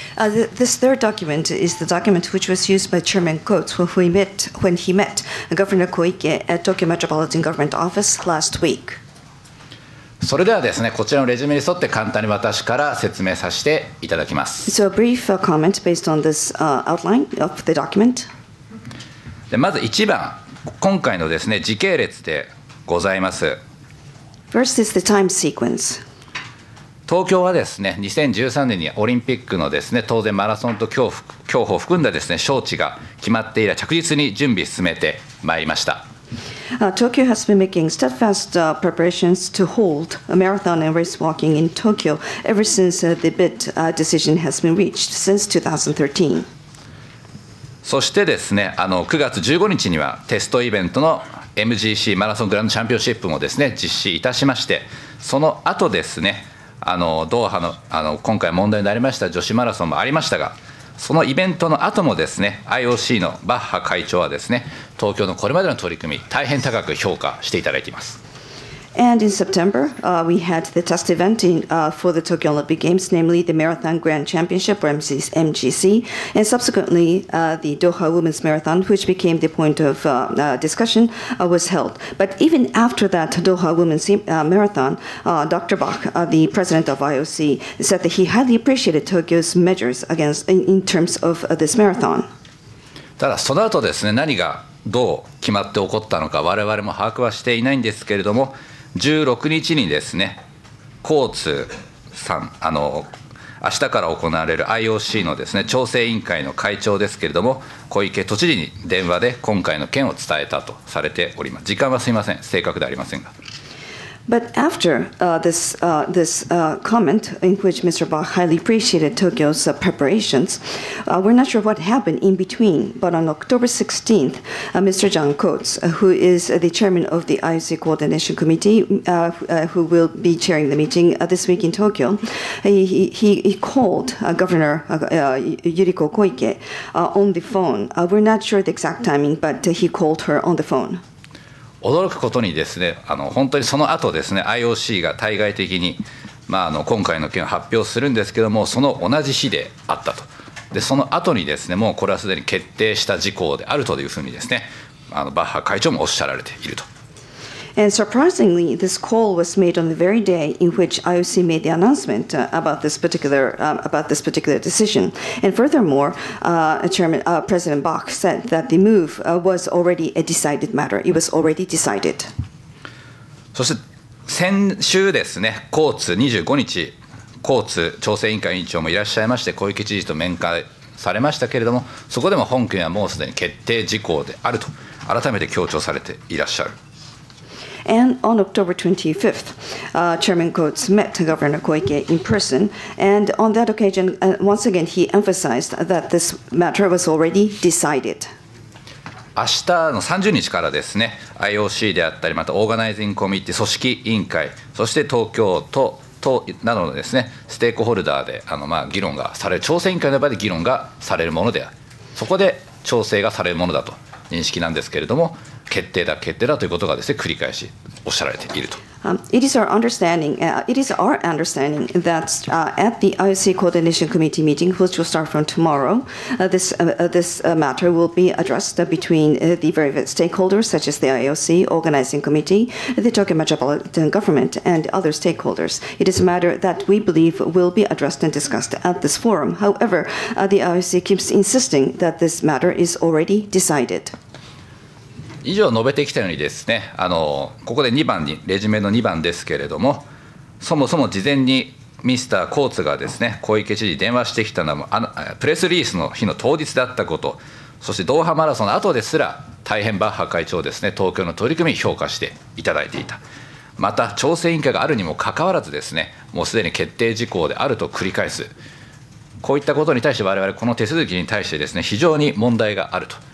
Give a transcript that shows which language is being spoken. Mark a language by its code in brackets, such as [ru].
[en] This third document is the document which was used by Chairman Coates when he met Governor Koike at Tokyo Metropolitan Government Office last week. [ja] それではですね、こちらのレジュメに沿って簡単に私から説明させていただきます。 [en] So a brief comment based on this outline of the document. [ja] でまず1番、今回のですね、時系列でございます。 [en] First is the time sequence. [ja] 東京はですね、2013年にオリンピックのですね、当然マラソンと競歩を含んだですね、招致が決まって以来、着実に準備進めてまいりました。 [en] Tokyo has been making steadfast preparations to hold a marathon and race walking in Tokyo ever since the bid decision has been reached since 2013. [ja] そしてですね、9月15日にはテストイベントの MGC マラソングランドチャンピオンシップもですね実施いたしまして、その後ですね、ドーハの、今回問題になりました女子マラソンもありましたが、そのイベントの後もですね、IOC のバッハ会長はですね、東京のこれまでの取り組み、大変高く評価していただいています。 [en] And in September, we had the test event in, for the Tokyo Olympic Games, namely the Marathon Grand Championship, or MGC, and subsequently the Doha Women's Marathon, which became the point of discussion, was held. But even after that Doha Women's Marathon, Dr. Bach, the president of IOC, said that he highly appreciated Tokyo's measures against, in terms of this marathon. [ja] ただその後ですね、何がどう決まって起こったのか我々も把握はしていないんですけれども、16日にですね、コーツさん、明日から行われる IOC のですね、調整委員会の会長ですけれども、小池都知事に電話で今回の件を伝えたとされております。時間はすみません、正確ではありませんが。 [en] But after comment in which Mr. Bach highly appreciated Tokyo's preparations, we're not sure what happened in between. But on October 16th, Mr. John Coates, who is the chairman of the IOC Coordination Committee, who will be chairing the meeting this week in Tokyo, he called Governor Yuriko Koike on the phone. We're not sure the exact timing, but he called her on the phone. [ja] 驚くことにですね、本当にその後ですね、IOC が対外的に、今回の件を発表するんですけども、その同じ日であったと。で、その後にですね、もうこれはすでに決定した事項であるというふうにですね、バッハ会長もおっしゃられていると。 [en] And surprisingly, this call was made on the very day in which IOC made the announcement about this particular decision. And furthermore, President Bach said that the move was already a decided matter. It was already decided. [ja] そして先週ですね、コーツ25日、コーツ調整委員会委員長もいらっしゃいまして、小池知事と面会されましたけれども、そこでも本件はもうすでに決定事項であると改めて強調されていらっしゃる。 [en] And on October 25th, Chairman Coates met Governor Koike in person. And on that occasion, once again, he emphasized that this matter was already decided. [ja] 明日の30日からですね、IOC であったり、またオーガナイズングコミッティ、組織委員会、そして東京都等などのですね、ステークホルダーで議論がされる、調整委員会の場で議論がされるものである。そこで調整がされるものだと認識なんですけれども、決定だ決定だということがですね繰り返しおっしゃられていると。 [en] It is our understanding, that at the IOC Coordination Committee meeting, which will start from tomorrow, this matter will be addressed between the various stakeholders, such as the IOC Organizing Committee, the Tokyo Metropolitan Government, and other stakeholders. It is a matter that we believe will be addressed and discussed at this forum. However, the IOC keeps insisting that this matter is already decided. [ja] 以上述べてきたようにですね、ここで2番に、レジュメの2番ですけれども、そもそも事前にミスター・コーツがですね、小池知事に電話してきたのも、プレスリリースの日の当日だったこと、そしてドーハマラソンの後ですら、大変バッハ会長ですね、東京の取り組み、評価していただいていた、また調整委員会があるにもかかわらずですね、もうすでに決定事項であると繰り返す、こういったことに対して、我々この手続きに対してですね、非常に問題があると。